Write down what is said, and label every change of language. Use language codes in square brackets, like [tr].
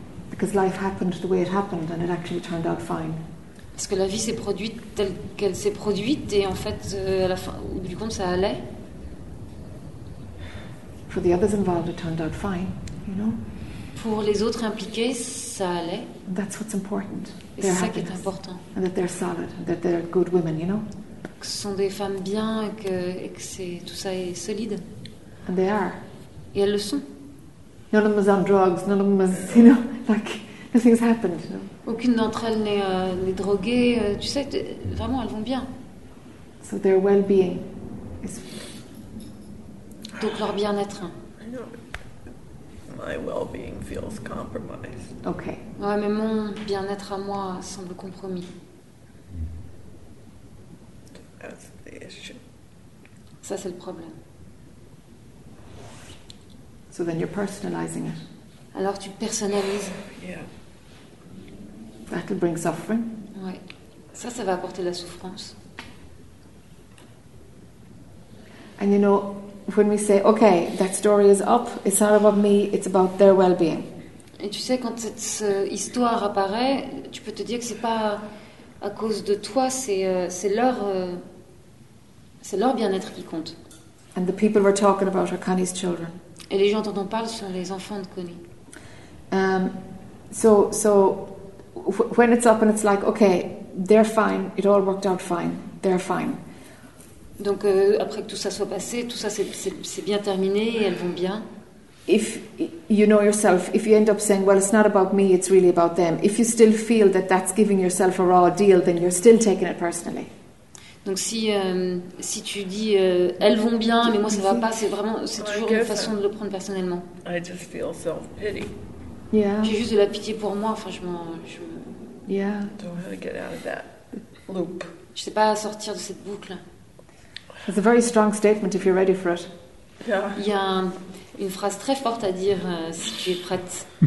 [en] Because life happened the way it happened and it actually turned out fine. [fr] Parce que la vie s'est produite telle qu'elle s'est produite et en fait à la fin au bout du compte ça allait. [en] For the others involved it turned out fine, you know? [fr] Pour les autres impliqués, ça allait. [en] That's what's important. [fr] Et c'est ça qui est important. [en] And that they're solid, that they're good women, you know? [fr] Que ce sont des femmes bien et que c'est, tout ça est solide. [en] And they are. [fr] Et elles le sont. [en] None of them is on drugs, none of them is, you know, like, nothing's happened. You know. [fr] Aucune d'entre elles n'est droguée, tu sais, vraiment, elles vont bien. [en] So their well-being is... [fr] Donc leur bien-être. [en] I know. my well-being feels compromised. Okay. [fr] Ouais, mais mon bien-être à moi semble compromis. [en] That's the issue. [fr] Ça, c'est le problème. [en] So then you're personalizing it. [fr] Alors tu personnalises. [en] Yeah. That'll bring suffering. [fr] Ouais. Ça, ça va apporter de la souffrance. [en] And you know, when we say, okay, that story is up, it's not about me, it's about their well-being. [fr] Et tu sais, quand cette histoire apparaît, tu peux te dire que c'est pas à cause de toi, c'est leur bien-être qui compte. [en] And the people we're talking about are Connie's children. [fr] Et les gens dont on parle sont les enfants de Connie. [en] When it's up and it's like, okay, they're fine, it all worked out fine, they're fine. [fr] Donc après que tout ça soit passé, tout ça c'est bien terminé, elles vont bien. [en] If you know yourself, if you end up saying, well, it's not about me, it's really about them. If you still feel that that's giving yourself a raw deal, then you're still taking it personally. [fr] Donc si tu dis elles vont bien, mais moi ça va pas, c'est toujours une façon de le prendre personnellement. [en] I just feel self-pity. Yeah. [fr] J'ai juste de la pitié pour moi. Enfin, [en] Yeah. Don't know how to get out of that loop. [fr] Je sais pas sortir de cette boucle. [en] It's a very strong statement if you're ready for it. Yeah. [fr] Il y a une phrase très forte à dire si tu es prête.